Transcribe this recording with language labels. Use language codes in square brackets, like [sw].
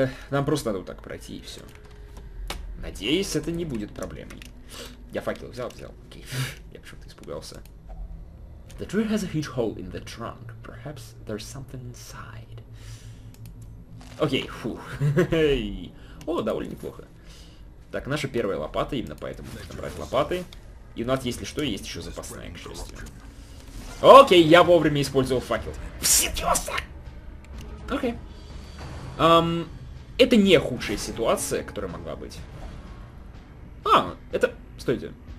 [ru] Нам просто надо вот так пройти и все. Надеюсь, это не будет проблемой. Я факел взял. Окей. Я почему-то испугался. [en] The tree has a huge hole in the trunk. Perhaps there's something inside. [ru] Окей, фух. О, довольно неплохо. Так, наша первая лопата, именно поэтому нужно брать лопаты. И у нас, если что, есть еще запасная, к счастью. Окей, я вовремя использовал факел. Всерьёзно? Окей. Это не худшая ситуация, которая могла быть. А, это... Стойте.